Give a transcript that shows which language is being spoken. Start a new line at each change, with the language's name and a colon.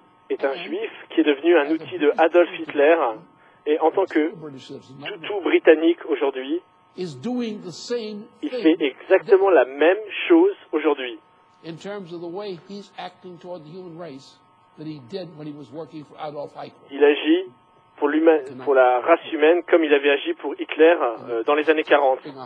French: est un juif qui est devenu un outil de Adolf Hitler et en tant que toutou britannique aujourd'hui, il fait exactement la même chose aujourd'hui.
English: In terms of the way he's acting toward the human race that he did when he was working for Adolf Eichmann.
French: Il agit pour l'humain, pour la race humaine comme il avait agi pour Hitler dans les années 40.